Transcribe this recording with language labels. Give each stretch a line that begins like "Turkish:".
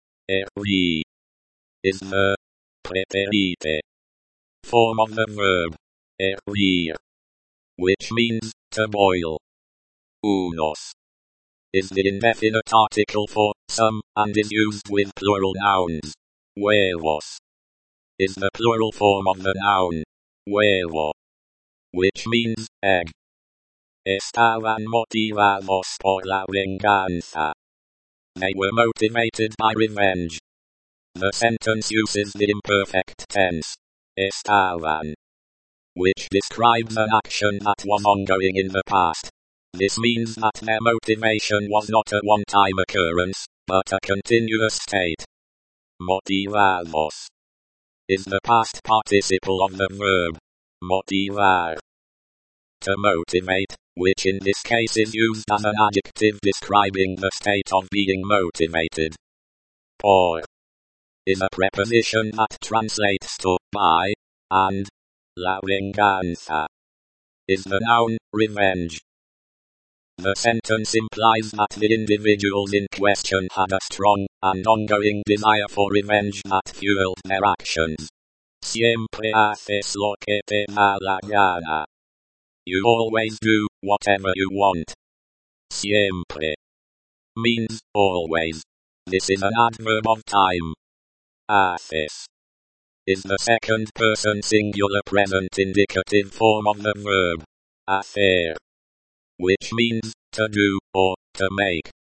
English: Herví is the preterite form of the verb hervir, which means to boil. Unos is the indefinite article for some, and is used with plural nouns. Huevos is the plural form of the noun huevo, which means egg.
Spanish: Estaban motivados por la venganza.
English: They were motivated by revenge. The sentence uses the imperfect tense estaban, which describes an action that was ongoing in the past. This means that their motivation was not a one-time occurrence, but a continuous state. Motivados is the past participle of the verb motivar. To motivate, which in this case is used as an adjective describing the state of being motivated. Por is a preposition that translates to by, and
Spanish: la venganza
English: is the noun revenge. The sentence implies that the individuals in question had a strong and ongoing desire for revenge that fueled their actions.
Spanish: Siempre haces lo que te da la gana.
English: You always do whatever you want. Siempre means always. This is an adverb of time. Haces is the second person singular present indicative form of the verb hacer, which means to do or to make.